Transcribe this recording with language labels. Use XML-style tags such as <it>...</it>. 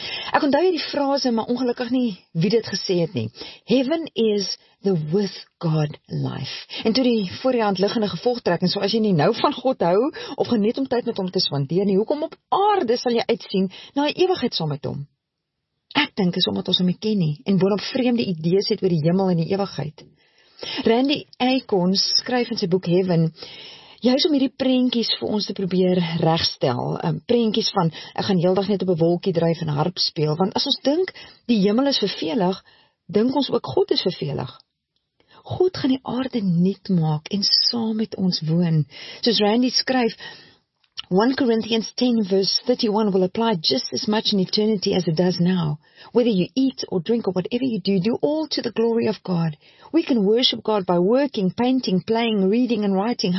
<af>Ek onthou hierdie frase, maar ongelukkig nie wie dit gesê het nie.</af> <en>Heaven is the with God life.</en> <af>En toe die voor die hand liggende gevolgtrekking, so as jy nie nou van God hou, of geniet om tyd met hom te spandeer nie, hoekom op aarde sal jy uitsien na die ewigheid saam met hom? Ek dink is omdat ons hom ken nie, en boonop vreemde idees het oor die hemel en die ewigheid. Randy Acorn skryf in sy boek Heaven, juist om hierdie prentjies vir ons te probeer regstel, prentjies van, ek gaan heeldag net op 'n wolkie dryf en harp speel, want as ons dink, die hemel is vervelig, dink ons ook God is vervelig. God gaan die aarde nuut maak en saam met ons woon. Soos Randy skryf,</af> <en>1 Corinthians 10 verse 31 will apply just as much in eternity as it does now. Whether you eat or drink or whatever you do, do all to the glory of God. We can worship God by working, painting, playing, reading and writing.</en>